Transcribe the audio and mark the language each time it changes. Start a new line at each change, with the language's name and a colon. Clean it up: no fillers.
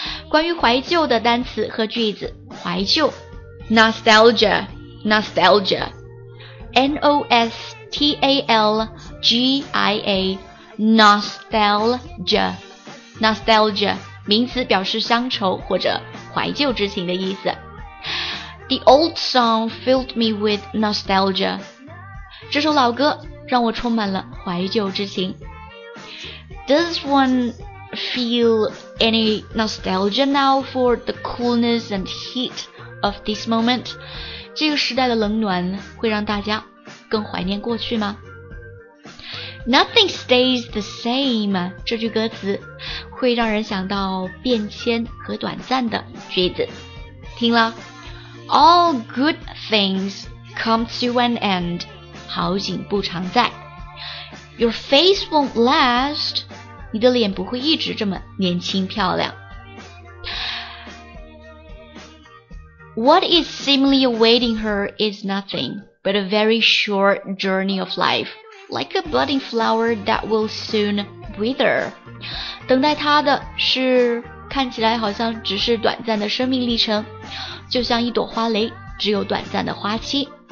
Chinese: 关于怀旧的单词和句子，怀旧 Nostalgia Nostalgia N-O-S-T-A-L-G-I-A Nostalgia Nostalgia 名词，表示乡愁或者怀旧之情的意思。
English: The old song filled me with nostalgia.
Chinese: 这首老歌让我充满了怀旧之情。
English: This oneFeel any nostalgia now for the coolness and heat of this moment?
Chinese: 这个时代的冷暖会让大家更怀念过去吗？
English: Nothing stays the same.
Chinese: 这句歌词会让人想到变迁和短暂的句子。听了，
English: All good things come to an end.
Chinese: 好景不常在。
English: Your face won't last.
Chinese: 你的脸不会一直这么年轻漂亮。
English: What is seemingly awaiting her is nothing but a very short journey of life, like a budding flower that will soon wither.
Chinese: 等待她的是看起来好像只是短暂的生命历程，就像一朵花蕾，只有短暂的花期。